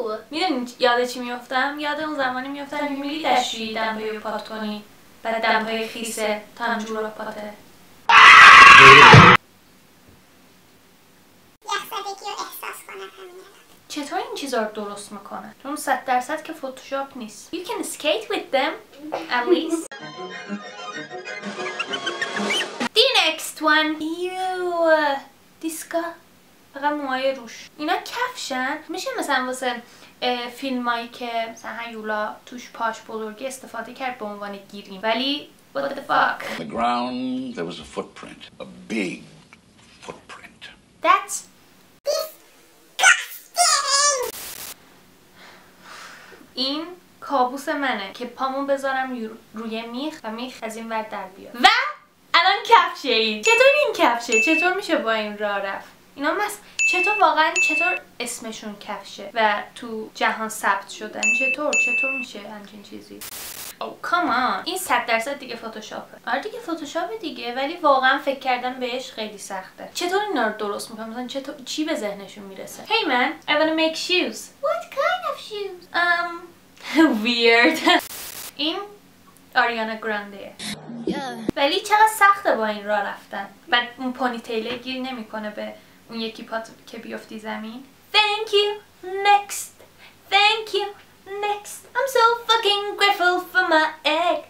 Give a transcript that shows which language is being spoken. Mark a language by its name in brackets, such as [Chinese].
[Persian] میدونی یاد چی میافتم؟ یاد اون زمانی میافتم که میری دشتی دمپایی رو پات کنی، بعد دمپایی خیسه تا همجور رو پاته. چطور این چیزا رو درست میکنه؟ چون 100% که فتوشاپ نیست. [English] You can skate with them at least. The next one. Ew. دیسکا. [Persian] فقط موهای روش. اینا کفشن؟ میشه مثلا واسه فیلمایی که مثلا هیولا توش پاش بزرگی استفاده کرد به عنوان گیریم. ولی [English] what the fuck? On the ground there was a footprint. A big footprint. That's [Persian] این کابوس منه که پامون بذارم روی میخ و میخ از این ور در بیاد. و الان کفشه ای. چطور این کفشه؟ چطور میشه با این راه رفت؟ اینا چطور واقعا چطور اسمشون کفشه و تو جهان ثبت شدن؟ چطور میشه همچین چیزی؟ او کامان، این 100% دیگه فتوشاپه. آره دیگه فتوشاپه دیگه، ولی واقعا فکر کردن بهش خیلی سخته. چطور اینا رو درست میکنم؟ مثلا چطور چی به ذهنشون میرسه؟ [English] Hey man, I wanna make shoes. What kind of shoes? Weird. [Persian] این آریانا گرانده. ولی چقدر سخته با این راه رفتن. بعد اون پونی تیله گیر نمیکنه به اون یکی پات که بیفتی زمین. [English] Thank you. Next. Thank you. Next. I'm so fucking grateful for my egg.